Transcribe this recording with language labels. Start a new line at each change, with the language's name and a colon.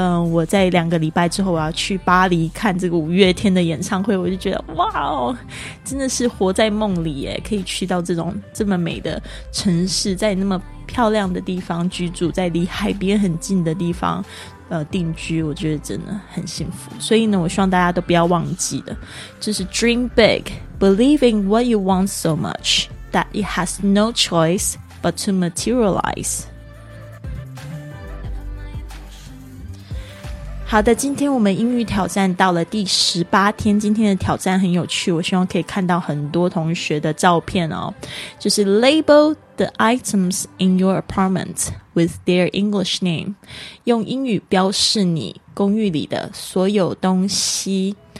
Chinese: 我在两个礼拜之后我要去巴黎看这个五月天的演唱会，我就觉得哇哦，真的是活在梦里耶，可以去到这种这么美的城市，在那么漂亮的地方居住，在离海边很近的地方定居，我觉得真的很幸福。所以呢，我希望大家都不要忘记的，就是
English: dream big, believe in what you want so much that it has no choice but to materialize。
Chinese: 好的，今天我们英语挑战到了第18天，今天的挑战很有趣，我希望可以看到很多同学的照片哦。
English: 就是 label the items in your apartment with their English name，
Chinese: 用英语标示你公寓里的所有东西。